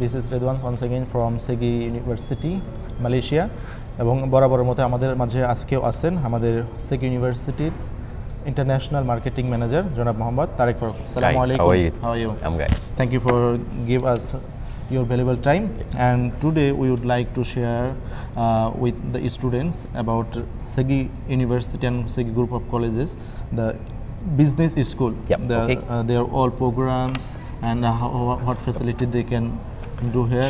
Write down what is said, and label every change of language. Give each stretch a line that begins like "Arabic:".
English: This is Redwan once again from SEGi University, Malaysia.
Bangla: এবং বরাবর মতে আমাদের মাঝে আজকেও আছেন আমাদের SEGi University's International Marketing Manager, জনাব Mohammad Tarique Faruk.
Arabic: Assalamu alaikum.
English: How are you? I'm good. Thank you for give us your valuable time. And today we would like to share with the students about SEGi University and SEGi Group of Colleges, the business school. Yep. They are all programs and what facility they can do here.